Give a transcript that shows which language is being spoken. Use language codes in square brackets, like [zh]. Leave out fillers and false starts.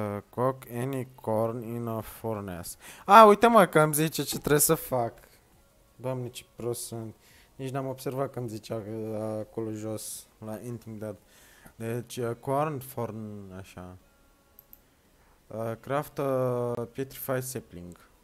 [en] Cook any corn in a furnace. [ro] Ah, uite mă că îmi zice ce trebuie să fac. Doamne, ce prost sunt. Nici n-am observat că îmi zicea acolo jos, la [en] eating that. [ro] Deci, corn, forn, așa. [en] Craft a petrified sapling.